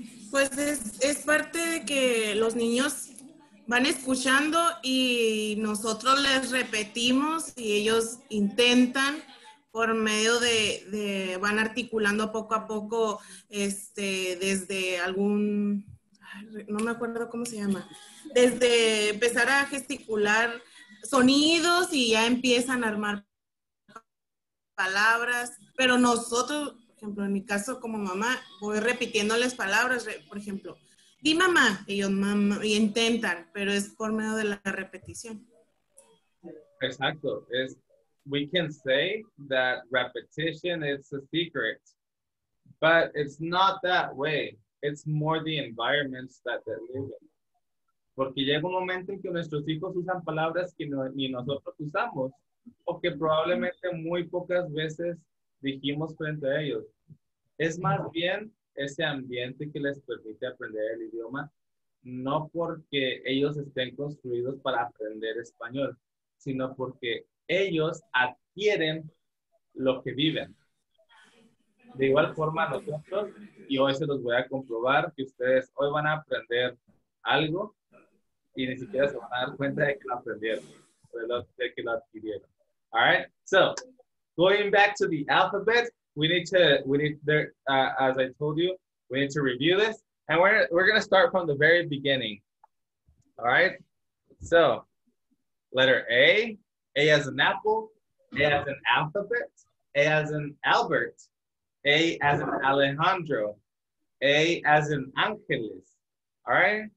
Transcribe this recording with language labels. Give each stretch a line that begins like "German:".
Spanish: Pues es parte de que los niños van escuchando y nosotros les repetimos y ellos intentan por medio de van articulando poco a poco desde algún, no me acuerdo cómo se llama, desde empezar a gesticular sonidos y ya empiezan a armar palabras, pero nosotros... Por ejemplo, en mi caso como mamá, voy repitiéndoles palabras. Por ejemplo, di mamá, ellos mamá, y intentan, pero es por medio de la repetición. Exacto.
English: We can say that repetition is a secret, but it's not that way. It's more the environments that they live in.
Spanish: Porque llega un momento en que nuestros hijos usan palabras que no, ni nosotros usamos, o que probablemente muy pocas veces dijimos frente a ellos. Es más bien ese ambiente que les permite aprender el idioma, no porque ellos estén construidos para aprender español, sino porque ellos adquieren lo que viven. De igual forma nosotros, y hoy se los voy a comprobar, que ustedes hoy van a aprender algo y ni siquiera se van a dar cuenta de que lo aprendieron, de que lo adquirieron.
English: All right, so... Going back to the alphabet, as I told you, we need to review this, and we're gonna start from the very beginning. All right. So, letter A, A as in apple, A as in alphabet, A as in Albert, A as in Alejandro, A as in Angeles. All right.